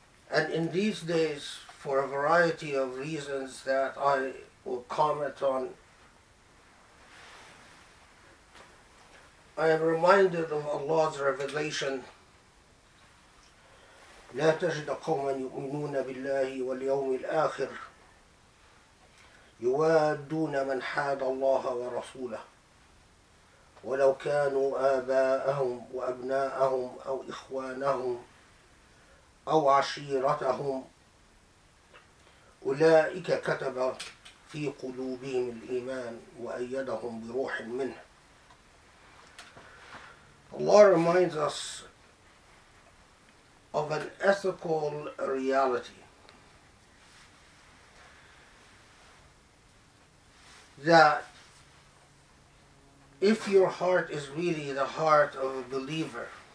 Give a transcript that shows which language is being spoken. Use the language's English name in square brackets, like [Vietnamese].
[English] And in these days, for a variety of reasons that I will comment on, I am reminded of Allah's revelation [Arabic] لا تجد قوما يؤمنون بالله واليوم الآخر يوادون من حاد الله ورسوله ولو كانوا آباءهم وأبناءهم أو إخوانهم أو عشيرتهم أولئك كتب في قلوبهم الإيمان وأيدهم بروح منه. [English] Allah reminds us of an ethical reality that if your heart is really the heart of a believer,